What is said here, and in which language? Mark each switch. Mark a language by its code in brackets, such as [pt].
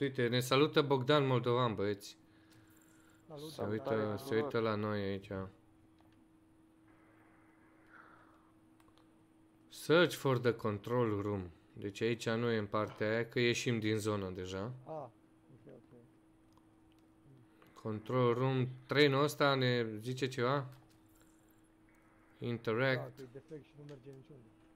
[ro] Uite, ne salută Bogdan Moldovan, băieți! Salut, se uită, se uită la noi aici. [en] Search for the control room. [ro] Deci aici nu e în partea aia, că ieșim din zonă deja. Control room, trenul ăsta ne zice ceva? [en] Interact. [ro] Da, că-i defect și nu merge niciunde.